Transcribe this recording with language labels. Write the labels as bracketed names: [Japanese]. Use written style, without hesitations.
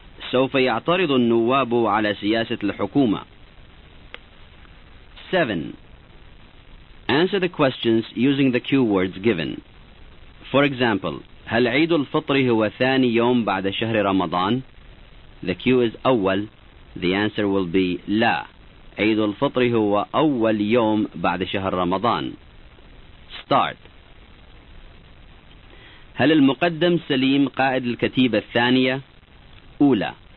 [Arabic] سوف يعترض النواب على سياسة الحكومة. [English] 7. Answer the questions using the cue words given. For example, [Arabic] هل عيد الفطر هو ثاني يوم بعد شهر رمضان؟ [English] The cue is [Arabic] أول. [English] The answer will be لا. [Arabic] عيد الفطر هو أول يوم بعد شهر رمضان. [English] Start. [Arabic] هل المقدم سليم قائد الكتيبة الثانية؟ أولى.